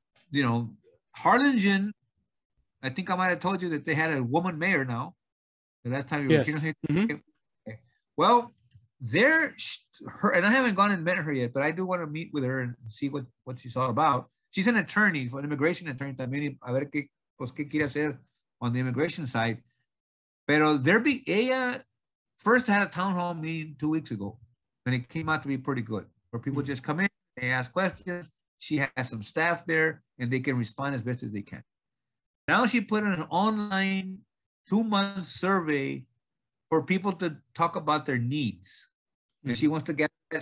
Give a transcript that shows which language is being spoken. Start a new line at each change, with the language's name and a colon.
English: You know, Harlingen, I think I might have told you that they had a woman mayor now. The last time you were here. Well, there, her, and I haven't gone and met her yet, but I do want to meet with her and see what she's all about. She's an attorney, an immigration attorney.
Spanish: También, a ver qué, pues, qué quiere hacer
English: on the immigration side.
Spanish: Pero
English: there be,
Spanish: ella
English: first had a town hall meeting 2 weeks ago, and it came out to be pretty good, where people just come in, they ask questions, she has some staff there, and they can respond as best as they can. Now she put in an online 2-month survey for people to talk about their needs. Mm-hmm. And she wants to get that.